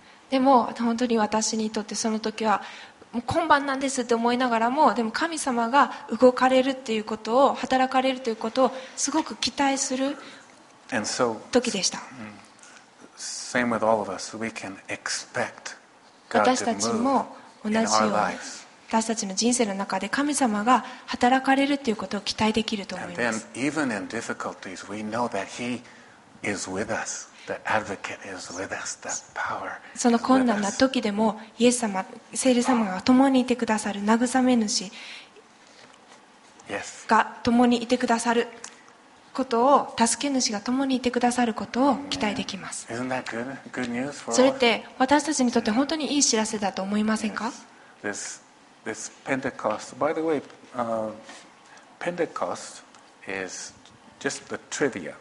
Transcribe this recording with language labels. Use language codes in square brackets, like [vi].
[ja] でも本当に私にとってその時は。もう今晩なんですって思いながらも、でも神様が動かれるっていうことを、働かれるということをすごく期待する時でした。 [en] Same with all of us, we can expect God to move. [ja] 私たちも同じように、私たちの人生の中で神様が働かれるっていうことを期待できると思います。 [en] And then even in difficulties, we know that He is with us. The advocate is with us. That power is with us. [ja] その困難な時でもイエス様、聖霊様が共にいてくださる慰め主が共にいてくださることを、助け主が共にいてくださることを期待できます。 [en] Isn't that good news for us? [ja] それって私たちにとって本当にいい知らせだと思いませんか？ [en] This Pentecost. By the way, Pentecost is just the trivia.